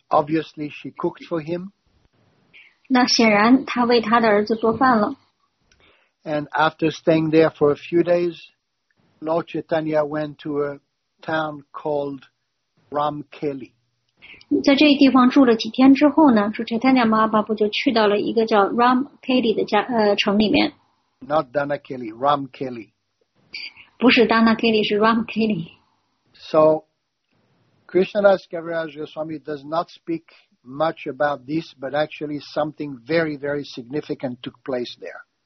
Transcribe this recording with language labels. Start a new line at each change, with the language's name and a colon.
English: obviously she cooked for him.
Chinese: 那显然她为她的儿子做饭了。
English: And after staying there for a few days, Lord Chaitanya went to a town called Ramkeli.
Chinese: 在这个地方住了几天之后呢，主 Chaitanya Mahaprabhu 就去到了一个叫 Ramkeli 的城里面。
English: Not Danakeli, Ramkeli.
Chinese: 不是Danakeli, 是Ramkeli.
English: So Krishnadas Kaviraj Goswami does not speak much about this, but actually something very, very significant took place there.